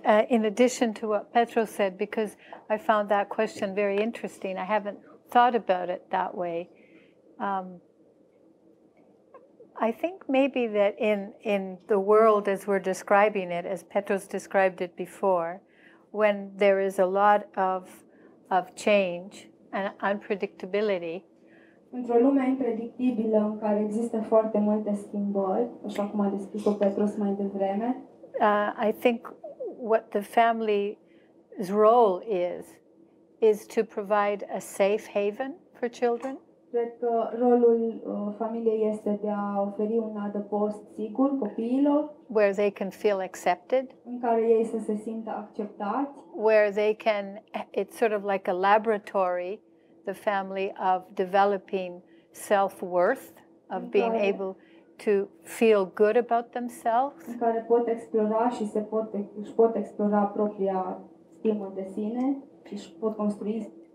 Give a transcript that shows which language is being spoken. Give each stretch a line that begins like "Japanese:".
English: In addition to what Petro said, because I found that question very interesting, I haven't thought about it that way. I think maybe that in the world as we're describing it, as Petros described it before, when there is a lot of change and unpredictability.
Romanian: Într-o lume impredictibilă în care există foarte multe schimbări, așa cum a descris-o Petros mai devreme.
English: I think what the family's role is to provide a safe haven for children.
Romanian: Cred că rolul familiei este de a oferi un adăpost sigur copiilor,
English: where they can feel accepted,
Romanian: în care ei să se simtă acceptați,
English: where they can, it's sort of like a laboratory, the family, of developing self-worth, of being able to feel good about themselves,
Romanian: în care pot explora și se pot, își pot explora propria stimă de sine și își pot construi